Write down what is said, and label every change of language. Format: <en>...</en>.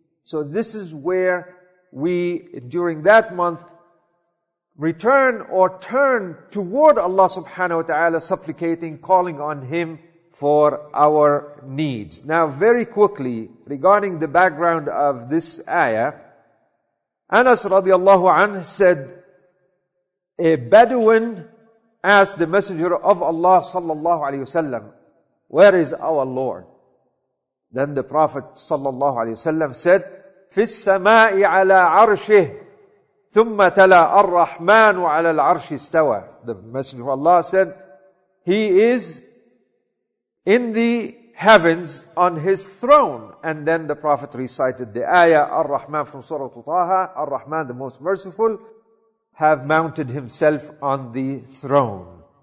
<en>So this is where we, during that month, return or turn toward Allah subhanahu wa ta'ala, supplicating, calling on Him for our needs. Now, very quickly, regarding the background of this ayah, Anas radiallahu anhu said, a Bedouin asked the Messenger of Allah sallallahu alayhi wasallam, where is our Lord? Then the Prophet sallallahu alayhi wasallam said,</en> <ar>فِي السَّمَاءِ عَلَىٰ عَرْشِهِ ثُمَّ تَلَىٰ الرَّحْمَانُ عَلَىٰ الْعَرْشِ اسْتَوَىٰ.</ar> <en>The Messenger of Allah said, He is in the heavens on His throne. And then the Prophet recited the ayah, Ar-Rahman from Surah Taha, Ar-Rahman, the Most Merciful, have mounted Himself on the throne.</en>